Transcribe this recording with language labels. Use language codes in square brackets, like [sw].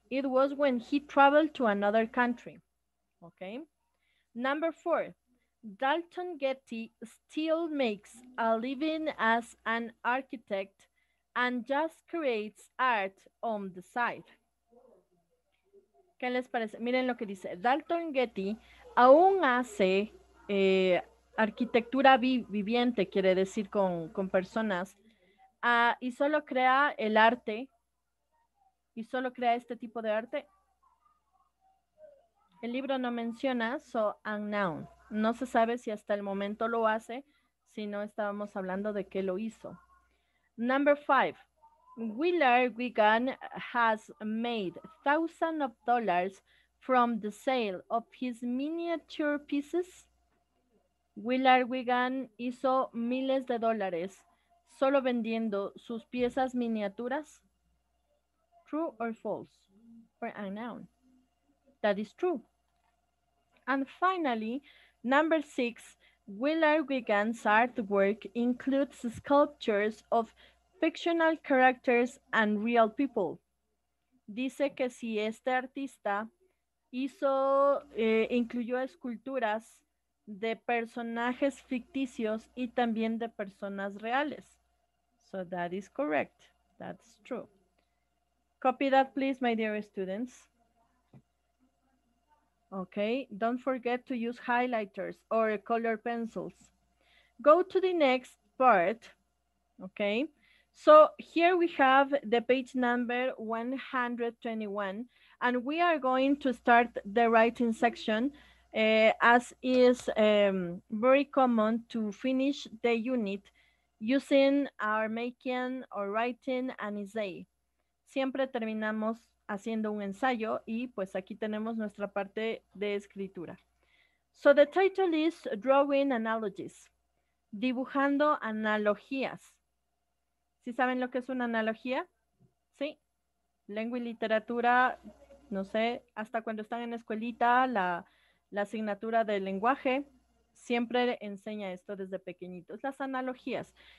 [en] It was when he traveled to another country. Okay. Number four. Dalton Getty still makes a living as an architect and just creates art on the side. [es] ¿Qué les parece? Miren lo que dice. Dalton Getty aún hace arquitectura viviente, quiere decir con personas, y solo crea el arte, y solo crea este tipo de arte. El libro no menciona, [en] so unknown. [es] No se sabe si hasta el momento lo hace, si no estábamos hablando de qué lo hizo. [en] Number five. Willard Wigan has made thousands of dollars from the sale of his miniature pieces. [es] Willard Wigan hizo miles de dólares solo vendiendo sus piezas miniaturas. [en] True or false? Or unknown? That is true. And finally, number six, Willard Wigan's artwork includes sculptures of fictional characters and real people. [es] Dice que si este artista hizo, incluyó esculturas de personajes ficticios y también de personas reales. [en] So that is correct. That's true. Copy that, please, my dear students. Okay, don't forget to use highlighters or color pencils. Go to the next part. Okay. So here we have the page number 121, and we are going to start the writing section, as is very common to finish the unit using our making or writing an essay. [es] Siempre terminamos haciendo un ensayo y pues aquí tenemos nuestra parte de escritura. [en] So the title is Drawing Analogies, [es] dibujando analogías. ¿Sí saben lo que es una analogía? ¿Sí? Lengua y literatura, no sé, hasta cuando están en la escuelita, la asignatura de lenguaje siempre enseña esto desde pequeñitos. Las analogías.